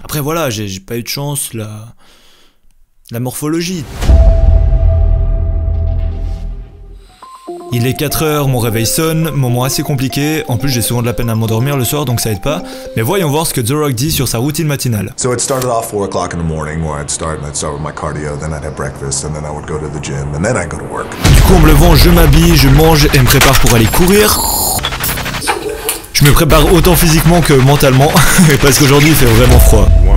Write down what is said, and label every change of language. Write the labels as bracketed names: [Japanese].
[French] Après voilà, j'ai pas eu de chance, la morphologie. Il est 4h, mon réveil sonne, moment assez compliqué, en plus j'ai souvent de la peine à m'endormir le soir donc ça aide pas. Mais voyons voir ce que The Rock dit sur sa routine matinale. [English] So it started off 4 o'clock in the morning where I'd start and I'd start with my cardio, then I'd have breakfast and then I would go to the gym and then I'd go to work. [French] Du coup en me levant, je m'habille, je mange et me prépare pour aller courir. Je me prépare autant physiquement que mentalement, parce qu'aujourd'hui il fait vraiment froid.